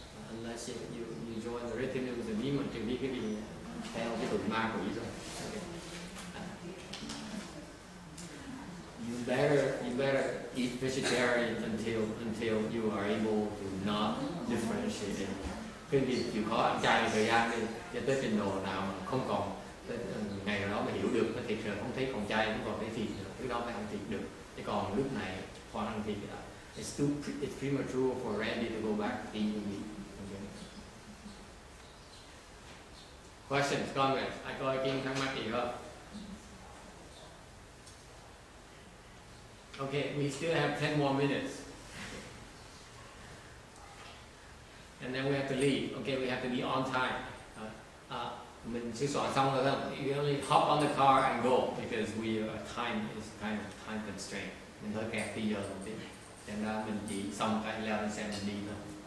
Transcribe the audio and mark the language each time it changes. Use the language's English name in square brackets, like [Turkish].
[English] Unless you join the retinue of the demon, to be maybe [Vietnamese] theo cái đường ma của ý rồi. [English] You better eat vegetarian until you are able to not differentiate. [Vietnamese] Cái việc chịu khó ăn chay thời gian đi, cho tới trình độ nào mà không còn ngày đó mà hiểu được, thì thiệt không thấy còn chay cũng còn thấy thịt nữa, cái đó mới ăn thịt được. Chứ còn lúc này còn ăn thịt là [English] it's premature for Randy to go back to eating meat. Okay. Questions, comments? [Vietnamese] Ai có ý kiến thắc mắc gì không? [English] Okay, we still have 10 more minutes. And then we have to leave. Okay, we have to be on time. [Vietnamese] Mình chỉ soạn xong rồi thôi. [English] You only hop on the car and go because we time is kind of time constraint. [Vietnamese] Mình hơi kẹt bây giờ một tí. Chẳng ra mình chỉ xong cái leo lên xe mình đi thôi.